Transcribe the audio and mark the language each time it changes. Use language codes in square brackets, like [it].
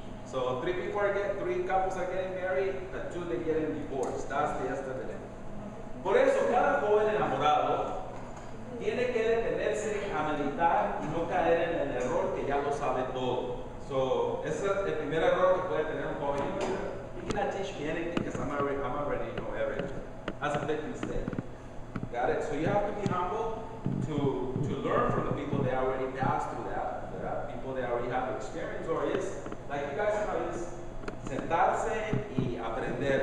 [en] So 3 people are getting, 3 couples are getting married, but 2 they get divorced. That's the estadística. [es] Por eso cada joven enamorado tiene que detenerse a meditar y no caer en el error que ya lo sabe todo. So ese es el primer error que puede tener un joven. [en] You cannot teach me anything because I'm already you know everything. That's a big mistake. Got it? So you have to be humble to learn from the people that already passed through that. People that already have experience, or is like you guys know, is [es] sentarse y aprender.